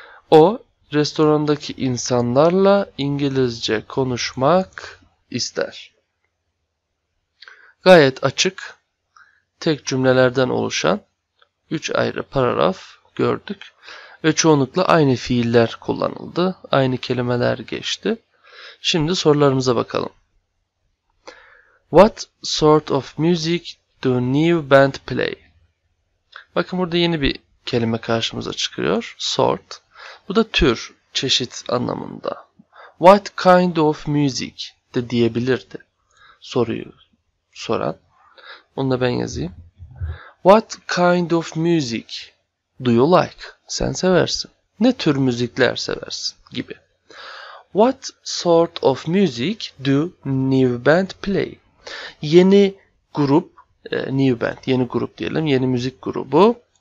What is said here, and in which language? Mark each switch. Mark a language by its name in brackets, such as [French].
[Turkish] O restorandaki insanlarla İngilizce konuşmak ister. Gayet açık, tek cümlelerden oluşan 3 ayrı paragraf gördük ve çoğunlukla aynı fiiller kullanıldı, aynı kelimeler geçti. Şimdi sorularımıza bakalım. [English] What sort of music do new band play? [Turkish] Bakın burada yeni bir kelime karşımıza çıkıyor. Sort. Bu da tür, çeşit anlamında. [English] What kind of music [Turkish] de diyebilirdi soruyu soran. Onu da ben yazayım. [English] What kind of music do you like? [Turkish] Sen seversin. Ne tür müzikler seversin gibi. [English] What sort of music do new band play? [Turkish] Yeni grup, new band, yeni grup diyelim, yeni müzik grubu.